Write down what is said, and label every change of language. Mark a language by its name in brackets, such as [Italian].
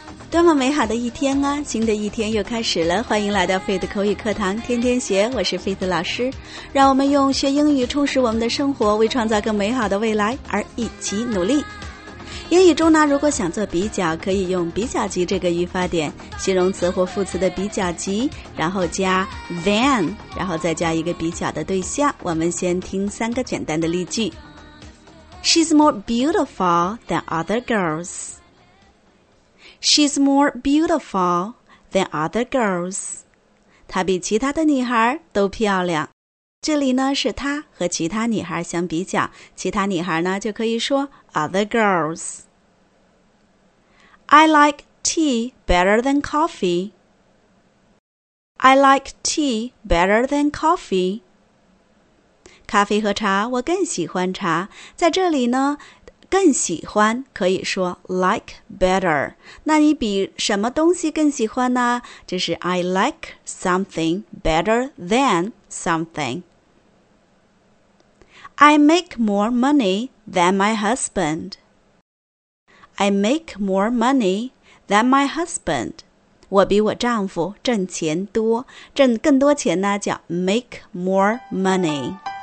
[Chinese] 多么美好的一天啊，新的一天又开始了，欢迎来到费的口语课堂天天学，我是费的老师，让我们用学英语充实我们的生活，为创造更美好的未来而一起努力。英语中呢，如果想做比较，可以用比较级这个语法点，形容词或副词的比较级，然后加 than， 然后再加一个比较的对象。我们先听三个简单的例句。 [English] She's more beautiful than other girls. She's more beautiful than other girls. [Chinese] 她比其他的女孩都漂亮。这里呢是她和其他女孩相比较，其他女孩呢就可以说 [English] other girls。 I like tea better than coffee. I like tea better than coffee. [Chinese] 咖啡和茶，我更喜欢茶。在这里呢，更喜欢可以说 [English] like better。 [Chinese] 那你比什么东西更喜欢呢？ [English] 就是 I like something better than something. I make more money than my husband. I make more money than my husband. [Chinese] 我比我丈夫挣钱多，挣更多钱呢叫 [English] make more money.